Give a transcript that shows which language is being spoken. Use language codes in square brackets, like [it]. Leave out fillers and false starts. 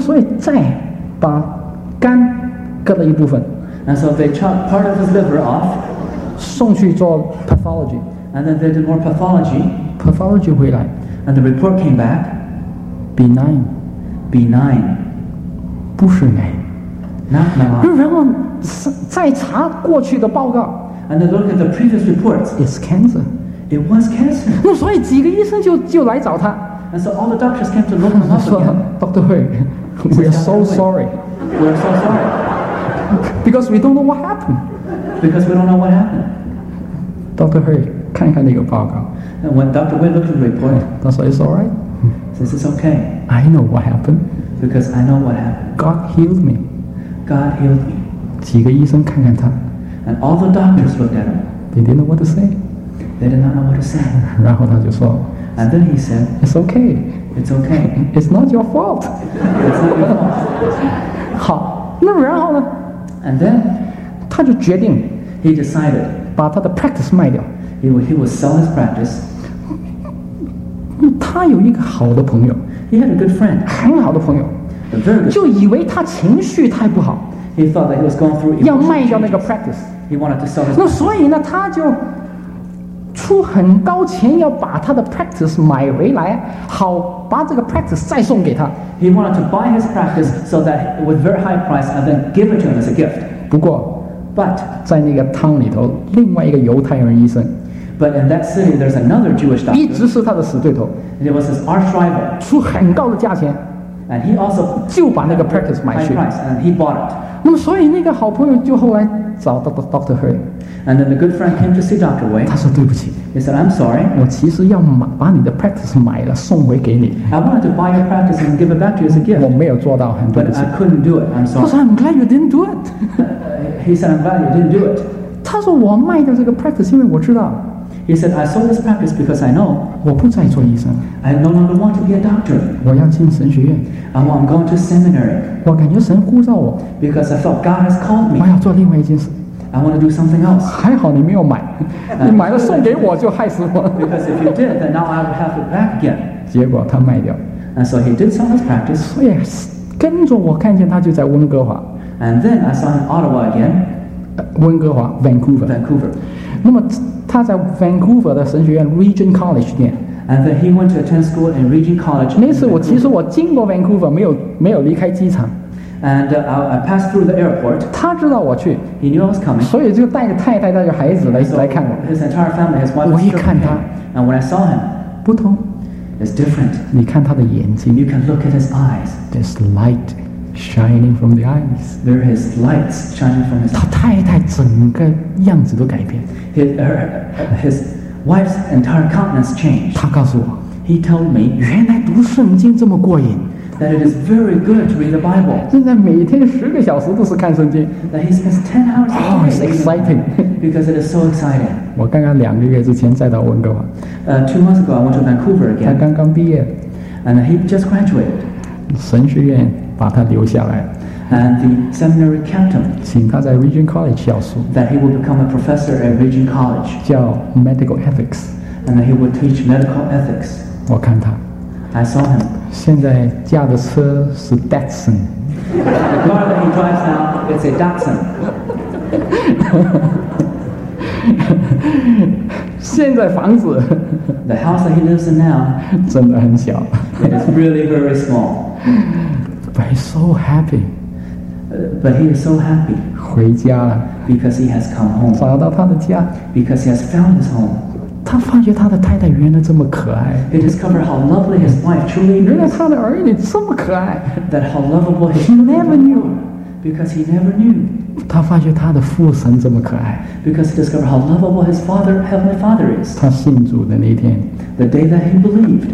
[zh] 所以再把肝割了一部分。 [en] And so they chopped part of his liver off, [zh] 送去做 pathology. [en] And then they did more pathology. [zh] Pathology 回来。 [en] And the report came back, benign. Benign. [zh] 不是癌。 [en] Not malign. [zh] 然后再查过去的报告。 [en] And then look at the previous reports. It's cancer. It was cancer. [zh] 那所以几个医生就来找他。 [en] And so all the doctors came to look him up again. [zh] 说 [en] Dr. Hui, we are so sorry. We are so sorry. Because we don't know what happened. Because we don't know what happened. [zh] Dr. Hui, 看看那个报告。 [en] And when Dr. Hui looked at the report, [zh] 他说 [en] it's alright. Says it's okay. I know what happened. Because I know what happened. God healed me. God healed me. [zh] 几个医生看看他。 [en] And all the doctors looked at him. They didn't know what to say. They did not know what to say. [zh] 然后他就说。 [en] And then he said, It's okay. It's okay. It's not your fault. It's not your fault. [zh] 好，那然后呢？ [en] And then, [zh] 他就决定。 [en] He decided. [zh] 把他的 practice 卖掉。 [en] He would sell his practice. [zh] 他有一个好的朋友。 [en] He had a good friend. [zh] 很好的朋友。 [en] A very good. [zh] 就以为他情绪太不好。 [en] He thought that he was going through emotional changes. [zh] 要卖掉那个 practice. [en] He wanted to sell his [zh] practice. 那所以呢，他就出很高钱要把他的 practice 买回来，好把这个 practice 再送给他。 [en] He wanted to buy his practice so that with very high price and then give it to him as a gift. [zh] 不过 [en] ，but [zh] 在那个 town 里头，另外一个犹太人医生 [en] ，but in that city there's another Jewish doctor. [zh] 一直是他的死对头 [en] ，and it was his arch rival. [zh] 出很高的价钱 [en] ，and he also [zh] 就把那个 practice 买去 [en] ，high price and he bought it. [zh] 那么所以那个好朋友就后来找到 Dr. Hui。 [en] And then the good friend came to see Dr. Wei. [zh] 他说对不起。 [en] He said, I'm sorry. [zh] 我其实要把你的 practice 买了送回给你。 [en] I wanted to buy your practice and give it back to you as a gift. [zh] 我没有做到，很对不起。 [en] But I couldn't do it. I'm sorry. [zh] 他说 [en] I'm glad you didn't do it. He said, I'm glad you didn't do it. [zh] 他说我卖掉这个 practice 因为我知道。 [en] He said, I sold this practice because I know. [zh] 我不再做医生。 [en] I no longer want to be a doctor. [zh] 我要进神学院。 [en] And I'm going to seminary. [zh] 我感觉神呼召我。 [en] Because I felt God has called me. [zh] 我要做另外一件事。 [en] I want to do something else. [zh] 还好你没有买，你买了送给我就害死我。 [en] Because if you did, then now I would have it back again. [zh] 结果他卖掉。 [en] And so he did sell his practice. [zh] 所以跟着我看见他就在温哥华。 [en] And then I saw him in Ottawa again. [zh] 温哥华 ，Vancouver. [en] Vancouver. [zh] 那么他在 Vancouver 的神学院 Regent College 念。 [en] And then he went to attend school in Regent College. [zh] 那次我其实我经过 Vancouver， 没有离开机场。 [en] And I passed through the airport. [zh] 他知道我去 [en] ，He knew I was coming. [zh] 所以就带着太太、带着孩子来看我。 [en] His entire family, his wife. [zh] 我一看他 [en] ，And when I saw him, [zh] 不同 [en] ，It's different. [zh] 你看他的眼睛 [en] ，You can look at his eyes. There's light shining from the eyes. There is lights shining from his. [zh] 他太太整个样子都改变 [en] ，His wife's entire countenance changed. [zh] 他告诉我 [en] ，He told me, [zh] 原来读圣经这么过瘾。 [en] That it is very good to read the Bible. [zh] 现在每天十个小时都是看圣经。 [en] That he spends 10 hours a day. Oh, it's exciting. Because it is so exciting. [zh] 我刚刚两个月之前再到温哥华。 [en] Two months ago, I went to Vancouver again. [zh] 他刚刚毕业。 [en] And he just graduated. [zh] 神学院把他留下来。 [en] And the seminary kept him. [zh] 请他在 Regent College 教书。 [en] That he will become a professor at Regent College. [zh] 叫 [en] Medical Ethics. And he will teach Medical Ethics. [zh] 我看他。 [en] I saw him. [zh] 现在驾的车是 Datsun. [en] The car that he drives now is a Datsun. [zh] 现在房子 [en] The house that he lives in now [zh] 真的很小 [en] It is really very small. But he's so happy. But he is so happy. [zh] 回家了 [en] Because he has come home. [zh] 找到他的家 [en] Because he has found his home. [zh] 他发觉他的太太原来这么可爱。 [en] He discovered how lovely his wife truly is. [zh] 原来他的儿女这么可爱。 [en] That how lovable his children are. He never knew. Because he never knew. [zh] 他发觉他的父神这么可爱。 [en] Because he discovered how lovable his father, heavenly father is. [zh] 他信主的那天。 [en] The day that he believed.